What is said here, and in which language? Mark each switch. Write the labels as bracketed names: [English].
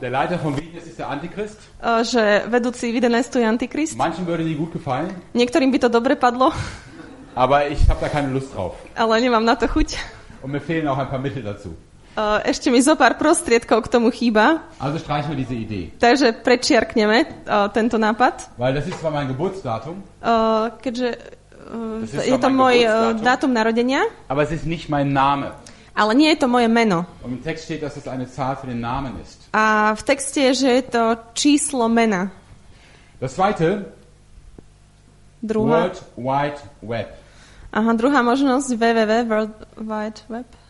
[German] Der Leiter von Vídeňs ist der Antichrist. [Slovak] Že vedúci Vídeňstu je Antikrist. [German] Manchen würde die gut gefallen. [Slovak] Niektorým by to dobre padlo. [German] Aber ich habe da keine Lust drauf. [Slovak] Ale nemám na to chuť. [German] Und mir fehlen auch ein paar Mittel dazu. [Slovak] Ešte mi zo pár prostriedkov k tomu chýba. [German] Also streichen wir diese Idee. [Slovak] Takže prečiarkneme tento nápad. [German] Weil das ist zwar mein Geburtsdatum. [Slovak] Keďže je to môj dátum narodenia. [German] Aber es ist nicht mein Name. [Slovak] Ale nie je to moje meno. [German] Und im Text steht, dass es eine Zahl für den Namen ist. [Slovak] A v texte je, že je to číslo mena. [German] Das zweite. [Slovak] Druhá. [English] World Wide Web. [Slovak] Aha, druhá možnosť www, World Wide Web.